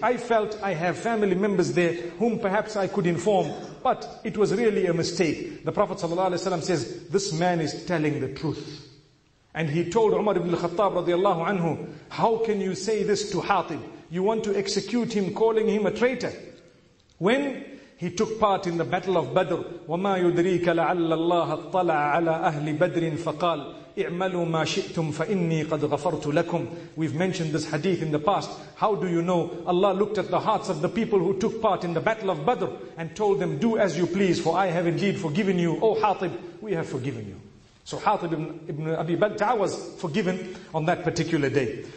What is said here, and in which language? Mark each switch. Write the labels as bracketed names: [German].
[English] I felt I have family members there whom perhaps I could inform, but it was really a mistake." The Prophet ﷺ says, "This man is telling the truth." And he told Umar ibn al-Khattab radiallahu anhu, "How can you say this to Hatib? You want to execute him, calling him a traitor?" When he took part in the battle of Badr, [Arabic] وَمَا يُدْرِيكَ لَعَلَّ اللَّهَ اطَّلَعَ عَلَى أَهْلِ بَدْرٍ فَقَالْ اِعْمَلُوا مَا شِئْتُمْ فَإِنِّي قَدْ غَفَرْتُ لَكُمْ. [English] We've mentioned this hadith in the past. How do you know? Allah looked at the hearts of the people who took part in the battle of Badr and told them, "Do as you please, for I have indeed forgiven you. Oh Hatib, we have forgiven you." So Hatib ibn Abi Balta'a was forgiven on that particular day.